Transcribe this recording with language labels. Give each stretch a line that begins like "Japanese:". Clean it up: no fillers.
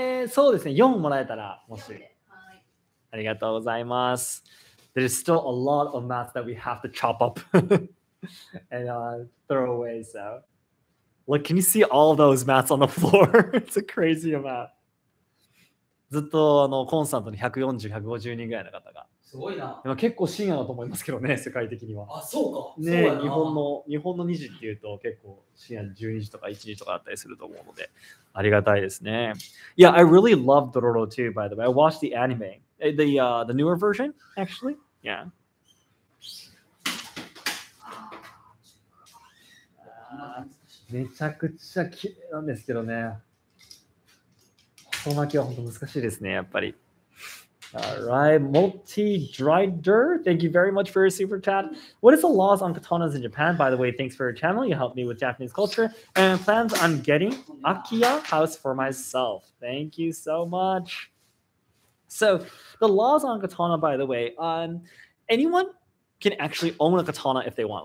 Japanese: そうですね、4もらえたらもし、はい、ありがとうございます。
English: There's still a lot of math that we have to chop up and throw away, so look, can you see all those mats on the floor? It's a crazy amount.
Japanese: ずっとあのコンスタントに140、150人ぐらいの方が、すごいな。でも結構深夜だと思いますけどね、世界的には。あ、そうか、ね、そうやな。日本の2時っていうと結構深夜12時とか1時とかだったりすると思うので、ありがたいですね。
English: Yeah, I really love Dororo too, by the way. I watched the anime, the newer version, actually. Yeah.
Japanese: めちゃくちゃ綺麗なんですけどね、細巻きは本当難しいですね、やっぱり。
English: Alright, Multi Drider, thank you very much for your super chat. What is the laws on katanas in Japan? By the way, thanks for your channel, you helped me with Japanese culture and plans on getting Akiya house for myself. Thank you so much. So, the laws on katana, by the way, anyone can actually own a katana if they want.